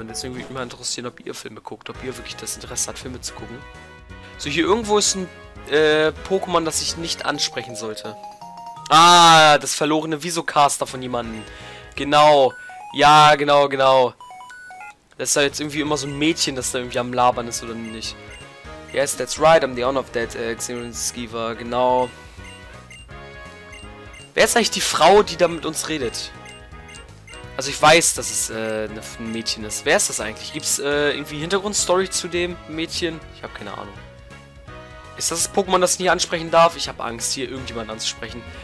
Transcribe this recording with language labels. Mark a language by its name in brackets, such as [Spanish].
[German] Und deswegen würde mich mal interessieren, ob ihr Filme guckt. Ob ihr wirklich das Interesse habt, Filme zu gucken. So, hier irgendwo ist ein Pokémon, das ich nicht ansprechen sollte. Ah, das verlorene Visocaster von jemandem. Genau. Ja, genau, genau. Das ist ja jetzt irgendwie immer so ein Mädchen, das da irgendwie am Labern ist, oder nicht? [English] Yes, that's right, I'm the owner of that Xenon Skeever. [German] Genau. Wer ist eigentlich die Frau, die da mit uns redet? Also ich weiß, dass es ein Mädchen ist. Wer ist das eigentlich? Gibt es irgendwie Hintergrundstory zu dem Mädchen? Ich habe keine Ahnung. Ist das Pokémon, das ich nie ansprechen darf? Ich habe Angst, hier irgendjemanden anzusprechen.